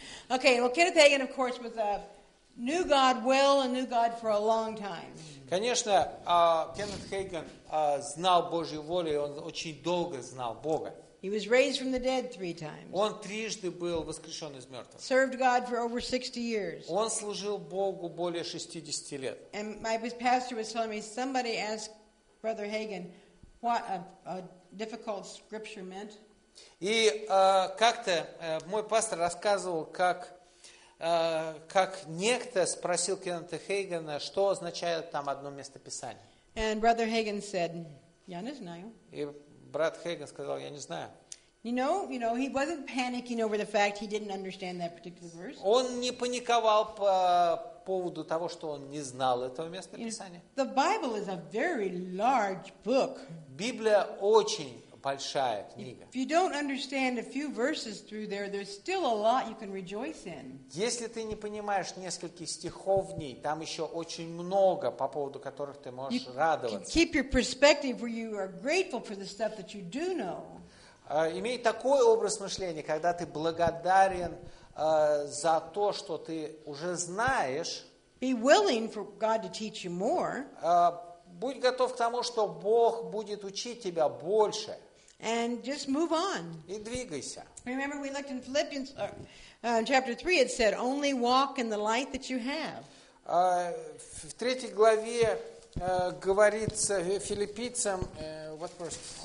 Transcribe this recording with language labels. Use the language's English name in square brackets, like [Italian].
[English] Okay, well, Kenneth Hagin, of course, was a knew God well and knew God for a long time. [Russian] Конечно, Кеннет Хейген знал Божью волю, и он очень долго знал Бога. [English] He was raised from the dead 3 times. [Russian] Он трижды был воскрешен из мертвых. [English] Served God for over 60 years. [Russian] Он служил Богу более 60 лет. [English] And my pastor was telling me, somebody asked Brother Hagin what a difficult scripture meant. [Russian] И как-то мой пастор рассказывал, как некто спросил Кеннета Хейгена, что означает там одно местописание. [English] And Brother Hagin said, [Russian] "Я не знаю." И брат Хейген сказал, "Я не знаю." [English] You know, he wasn't panicking over the fact he didn't understand that particular verse. [Russian] Он не паниковал по поводу того, что он не знал этого места Писания. [English] The Bible is a very large book. [Russian] Библия очень большая книга. [English] If you don't understand a few verses through there, there's still a lot you can rejoice in. [Russian] Если ты не понимаешь нескольких стихов в ней, там еще очень много, по поводу которых ты можешь радоваться. [English] Keep your perspective where you are grateful for the stuff that you do know. [Russian] Имей такой образ мышления, когда ты благодарен за то, что ты уже знаешь. [English] Be willing for God to teach you more. [Russian] Будь готов к тому, что Бог будет учить тебя больше. [English] And just move on. [Russian] И двигайся. [English] Remember, we looked in Philippians chapter 3, it said, only walk in the light that you have. [Russian] В третьей главе говорится филиппийцам, [English] what verse?